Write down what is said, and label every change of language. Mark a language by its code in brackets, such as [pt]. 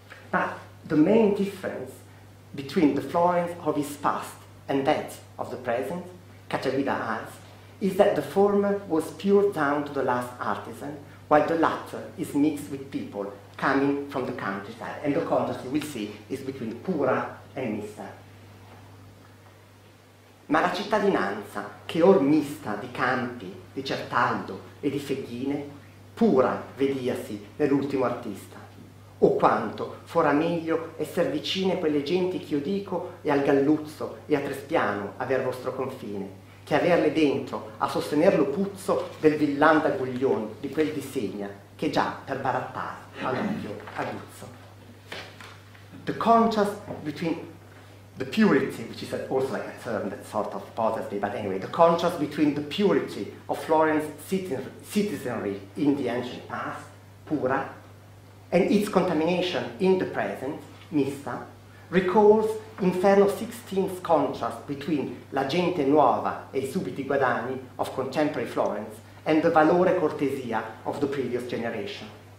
[en] But the main difference between the Florence of his past and that of the present, Cacciaguida adds, is that the former was pure down to the last artisan, while the latter is mixed with people coming from the countryside. And the contrast we see is between pura and mista. [it] Ma la cittadinanza, che or mista di campi, di certaldo e di feghine, pura vediasi nell'ultimo artista. O quanto fora meglio esser vicine quelle genti che io dico e al Galluzzo e a Trespiano aver vostro confine, che averle dentro a sostener lo puzzo del villan da Guglion di quel di Segna che già per barattare all'occhio aguzzo. [en] The contrast between the purity, which is also like a term that sort of bothers me, but anyway, the contrast between the purity of Florence citizenry in the ancient past, pura, and its contamination in the present, mista, recalls Inferno XVI's contrast between [it] la gente nuova e i subiti guadagni [en] of contemporary Florence and the [it] valore cortesia [en] of the previous generation.